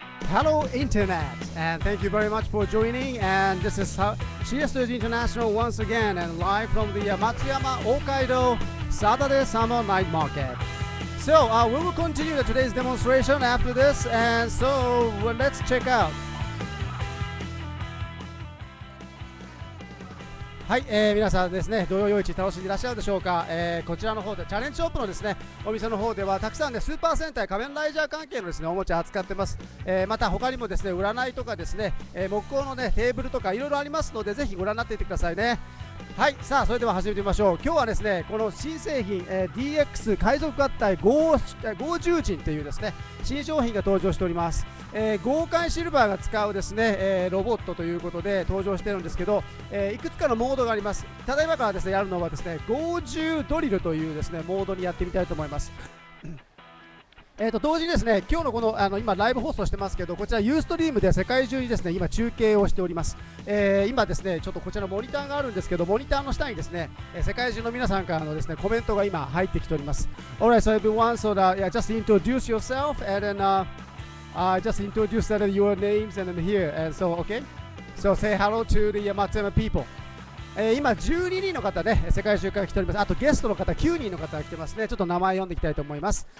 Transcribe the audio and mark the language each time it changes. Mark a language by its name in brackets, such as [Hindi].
[English] Hello Internet, and thank you very much for joining. And this is CS2 International once again, and live from the Matsuyama Hokkaido Saturday Summer Night Market. So we will continue today's demonstration after this, and so let's check out. [Japanese] はい、皆さんですね、土曜夜市楽しんでいらっしゃるでしょうか。こちらの方でチャレンジショップのですね、お店の方ではたくさんね、スーパー戦隊仮面ライダー関係のですね、おもちゃ扱ってます。また他にもですね、占いとかですね、木工のね、テーブルとかいろいろありますので、ぜひご覧になっていてくださいね。はい、さあそれでは始めてみましょう。今日はですね、この新製品、DX 海賊合体ゴージュー人というですね、新商品が登場しております。豪快シルバーが使うですね、ロボットということで登場しているんですけど、いくつかのモードがあります。ただいまからですね、やるのはですね、ゴージュードリルというですね、モードにやってみたいと思います。同時にですね、今日のこの、今ライブ放送してますけど、こちらユーストリームで世界中にですね、今中継をしております。今ですね、ちょっとこちらのモニターがあるんですけど、モニターの下にですね、世界中の皆さんからのですね、コメントが今入ってきております。 [English] Alright, so everyone, so that, yeah, just introduce yourself and then, just introduce that your names and then here, and so, okay? So say hello to the Matsuyama people. [Japanese] 今12人の方ね、世界中から来ております。あとゲストの方9人の方が来てますね。ちょっと名前読んでいきたいと思います。